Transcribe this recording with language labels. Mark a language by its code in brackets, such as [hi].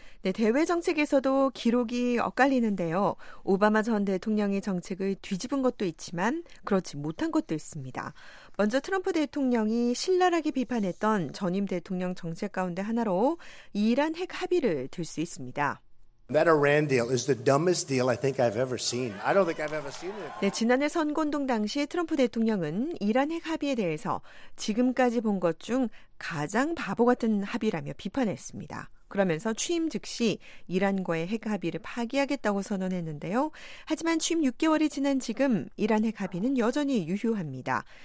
[ko] 네, 대외 정책에서도 기록이 엇갈리는데요. 오바마 전 대통령의 정책을 뒤집은 것도 있지만 그렇지 못한 것도 있습니다. 먼저 트럼프 대통령이 신랄하게 비판했던 전임 대통령 정책 가운데 하나로 이란 핵 합의를 들 수 있습니다. [en] That Iran deal is the dumbest deal I think I've ever seen. I don't think I've ever seen it. [ko] 네, 지난해 선거운동 당시 트럼프 대통령은 이란 핵 합의에 대해서 지금까지 본 것 중 가장 바보 같은 합의라며 비판했습니다. 그러면서 취임 즉시 이란과의 핵 합의를 파기하겠다고 선언했는데요. 하지만 취임 6개월이 지난 지금 이란 핵 합의는 여전히 유효합니다.